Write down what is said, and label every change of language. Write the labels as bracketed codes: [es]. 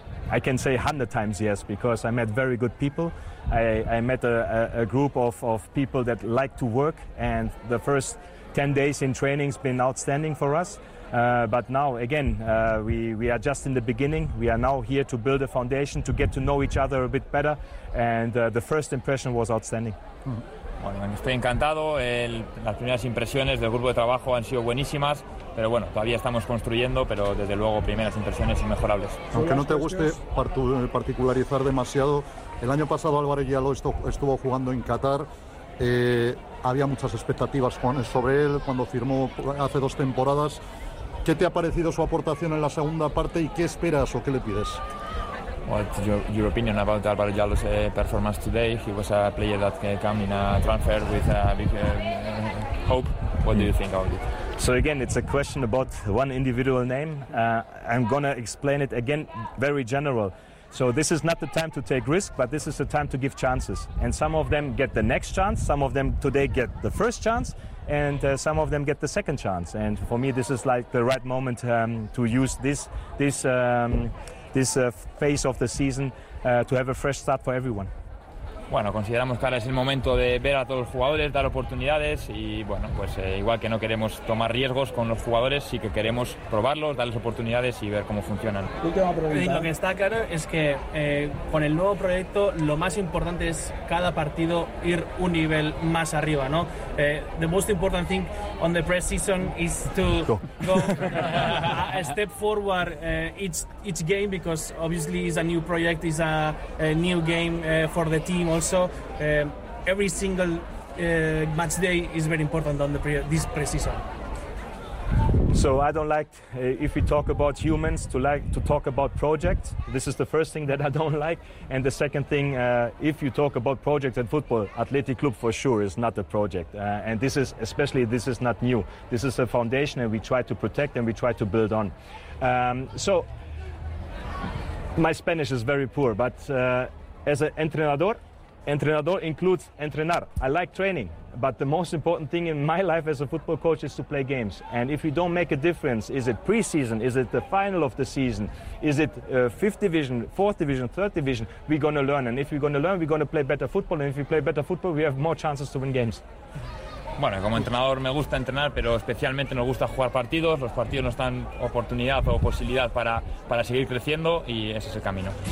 [en] I can say 100 times yes, because I met very good people. I met a group of people that like to work, and the first 10 days in training has been outstanding for us. But now, again, we are just in the beginning. We are now here to build a foundation, to get to know each other a bit better, and the first impression was outstanding. [es] Mm-hmm. Bueno, estoy encantado. Las primeras impresiones del grupo de trabajo han sido buenísimas, pero bueno, todavía estamos construyendo, pero desde luego primeras impresiones inmejorables. Aunque no te guste particularizar demasiado, el año pasado Álvarez Yaló estuvo jugando en Qatar. Había muchas expectativas sobre él cuando firmó hace dos temporadas. ¿Qué te ha parecido su aportación en la segunda parte y qué esperas o qué le pides? [en] What's your opinion about Álvaro Yalo's performance today? He was a player that came in a transfer with a big hope. What do you think about it? So again, it's a question about one individual name. I'm going to explain it again very general. So this is not the time to take risk, but this is the time to give chances. And some of them get the next chance, some of them today get the first chance, and some of them get the second chance. And for me, this is like the right moment to use this phase of the season to have a fresh start for everyone. [es] Bueno, consideramos que ahora es el momento de ver a todos los jugadores, dar oportunidades y bueno, pues igual que no queremos tomar riesgos con los jugadores, sí que queremos probarlos, darles oportunidades y ver cómo funcionan. Última pregunta. Lo que está claro es que con el nuevo proyecto lo más importante es cada partido ir un nivel más arriba, ¿no? [en] The most important thing on the pre-season is to go a step forward each game, because obviously it's a new project, it's a new game for the team. Also, every single match day is very important on this pre-season. So I don't like if we talk about humans to talk about projects. This is the first thing that I don't like. And the second thing, if you talk about projects and football, Athletic Club for sure is not a project. And this is especially, this is not new. This is a foundation, and we try to protect and we try to build on. So my Spanish is very poor, but as an entrenador, Entrenador includes entrenar. I like training, but the most important thing in my life as a football coach is to play games. And if you don't make a difference, is it preseason? Is it the final of the season? Is it fifth division, fourth division, third division? We're going to learn. And if we're going to learn, we're going to play better football. And if we play better football, we have more chances to win games. [es] Bueno, como entrenador me gusta entrenar, pero especialmente nos gusta jugar partidos. Los partidos nos dan oportunidad o posibilidad para seguir creciendo y ese es el camino.